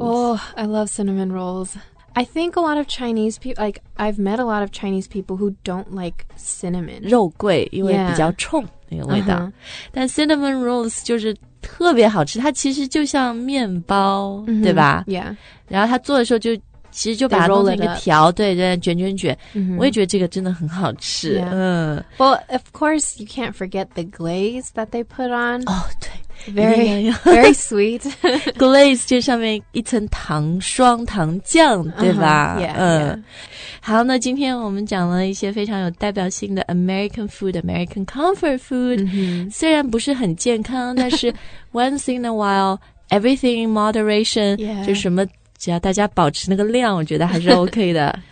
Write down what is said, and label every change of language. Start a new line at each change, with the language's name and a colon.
English: Oh, I love cinnamon rolls. I think a lot of Chinese people, like, I've met a lot of Chinese people who don't like cinnamon.
Chinese: 肉桂因为比较冲、那个味道。但 cinnamon rolls 就是特别好吃它其实就像面包、对吧
English: Yeah.
Chinese: 然后它做的时候就其实就把它弄成一个条对对卷卷卷、我也觉得这个真的很好吃。
English: Yeah. Well, of course, you can't forget the glaze that they put on.
Chinese: Oh, 对。
English: Very sweet.
Chinese: Glaze 就上面一层糖霜糖酱对吧、好那今天我们讲了一些非常有代表性的 American food, American comfort food、虽然不是很健康但是
English: once in a while, everything in moderation,、
Chinese: 就什么只要大家保持那个量我觉得还是 OK 的。